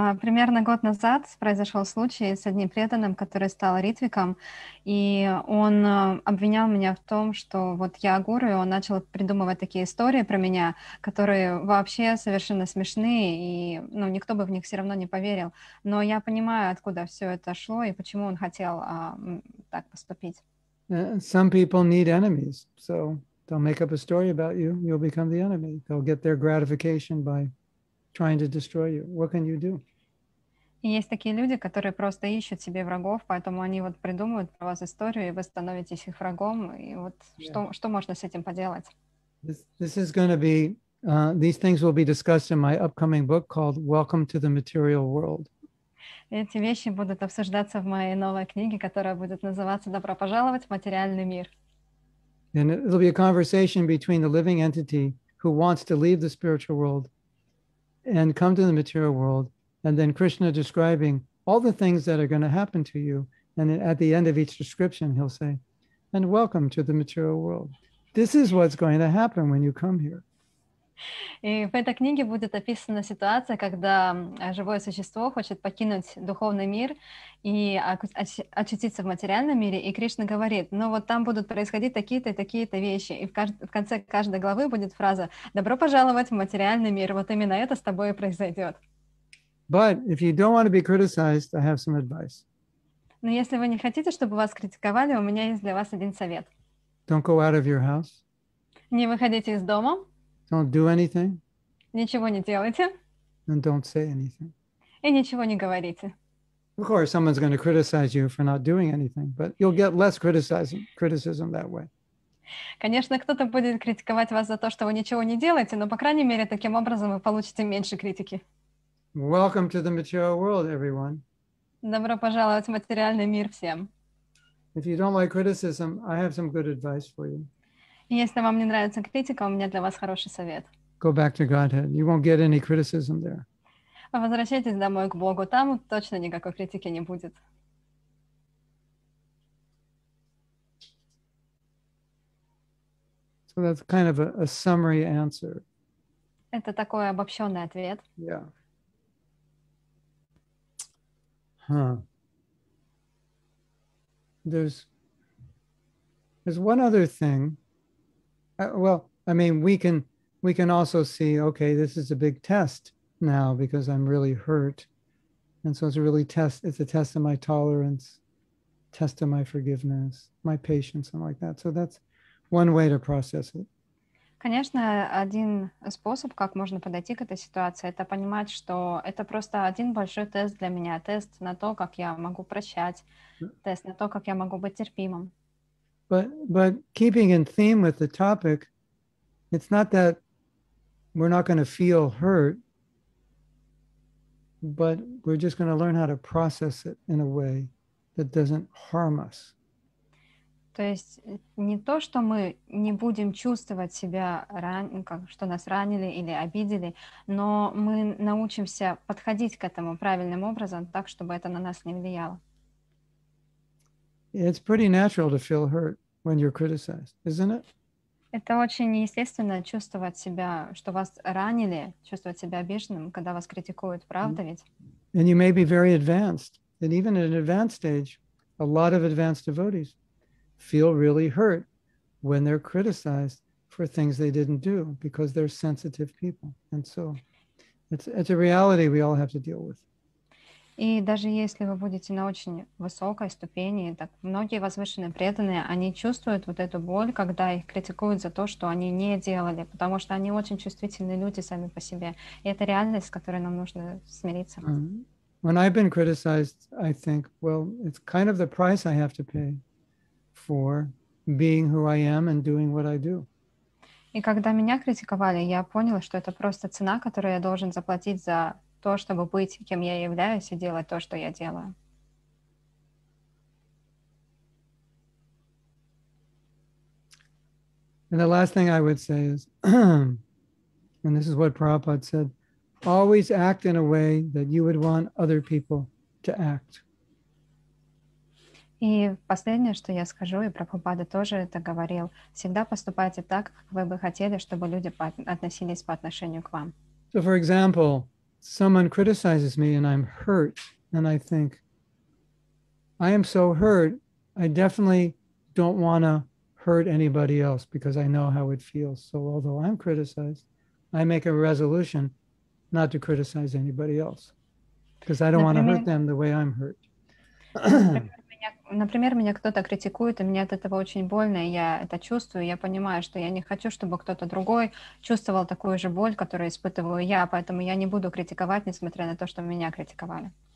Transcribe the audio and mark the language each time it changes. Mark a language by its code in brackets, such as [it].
[ru] Примерно год назад произошел случай с одним преданным, который стал ритвиком, и он обвинял меня в том, что вот я гуру, и он начал придумывать такие истории про меня, которые вообще совершенно смешные, и ну, никто бы в них все равно не поверил. Но я понимаю, откуда все это шло и почему он хотел так поступить. [en] Some people need enemies, so they'll make up a story about you, you'll become the enemy. They'll get their gratification by trying to destroy you. What can you do? [ru] Есть такие люди, которые просто ищут себе врагов, поэтому они вот придумывают про вас историю, и вы становитесь их врагом. И вот что можно с этим поделать? [en] This is going to be these things will be discussed in my upcoming book called Welcome to the Material World. [ru] Эти вещи будут обсуждаться в моей новой книге, которая будет называться Добро пожаловать в материальный мир. [en] And it'll be a conversation between the living entity who wants to leave the spiritual world and come to the material world, and then Krishna describing all the things that are going to happen to you. And at the end of each description, he'll say, and welcome to the material world. This is what's going to happen when you come here. [ru] И в этой книге будет описана ситуация, когда живое существо хочет покинуть духовный мир и очутиться в материальном мире, и Кришна говорит, ну вот там будут происходить такие-то и такие-то вещи, и в конце каждой главы будет фраза «Добро пожаловать в материальный мир, вот именно это с тобой и произойдет». [en] But if you don't want to be criticized, I have some advice. [ru] Но если вы не хотите, чтобы вас критиковали, у меня есть для вас один совет. [en] Don't go out of your house. [ru] Не выходите из дома. [en] Don't do anything. [ru] Ничего не делайте. [en] And don't say anything. [ru] И ничего не говорите. [en] Of course, someone's going to criticize you for not doing anything, but you'll get less criticism that way. [ru] Конечно, кто-то будет критиковать вас за то, что вы ничего не делаете, но, по крайней мере, таким образом вы получите меньше критики. [en] Welcome to the material world, everyone. [ru] Добро пожаловать в материальный мир всем. [en] If you don't like criticism, I have some good advice for you. [ru] Если вам не нравится критика, у меня для вас хороший совет. [en] Go back to Godhead. You won't get any criticism there. [ru] Возвращайтесь домой к Богу. Там точно никакой критики не будет. [en] So that's kind of a summary answer. [ru] Это такой обобщенный ответ. [en] Yeah. Huh. There's one other thing. Well, I mean, we can also see, okay, this is a big test now because I'm really hurt. And so it's a test of my tolerance, test of my forgiveness, my patience, and like that. So that's one way to process it. [ru] Конечно, один способ, как можно подойти к этой ситуации, это понимать, что это просто один большой тест для меня, тест на то, как я могу прощать, тест на то, как я могу быть терпимым. [en] But keeping in theme with the topic, It's not that we're not going to feel hurt, but we're just going to learn how to process it in a way that doesn't harm us. [ru] То есть не то, что мы не будем чувствовать себя, как, что нас ранили или обидели, но мы научимся подходить к этому правильным образом, так, чтобы это на нас не влияло. [en] It's pretty natural to feel hurt when you're criticized, isn't it? [ru] Это очень естественно чувствовать себя, что вас ранили, чувствовать себя обиженным, когда вас критикуют, правда ведь? [en] And you may be very advanced. And even at an advanced age, a lot of advanced devotees feel really hurt when they're criticized for things they didn't do because they're sensitive people. And so it's a reality we all have to deal with. [ru] И даже если вы будете на очень высокой ступени, так многие возвышенные преданные, они чувствуют вот эту боль, когда их критикуют за то, что они не делали, потому что они очень чувствительные люди сами по себе. И это реальность, с которой нам нужно смириться. [en] When I've been criticized, I think, well, it's kind of the price I have to pay for being who I am and doing what I do. [ru] И когда меня критиковали, я поняла, что это просто цена, которую я должен заплатить за то, чтобы быть, кем я являюсь, и делать то, что я делаю. [en] And the last thing I would say is, and this is what Prabhupada said, always act in a way that you would want other people to act. [ru] И последнее, что я скажу, и Прабхупада тоже это говорил, всегда поступайте так, как вы бы хотели, чтобы люди относились по отношению к вам. [en] So, for example, someone criticizes me and I'm hurt, and I think, I am so hurt, I definitely don't want to hurt anybody else because I know how it feels. So although I'm criticized, I make a resolution not to criticize anybody else because I don't want to hurt them the way I'm hurt. [ru] Например, меня кто-то критикует, и мне от этого очень больно, и я это чувствую, я понимаю, что я не хочу, чтобы кто-то другой чувствовал такую же боль, которую испытываю я, поэтому я не буду критиковать, несмотря на то, что меня критиковали.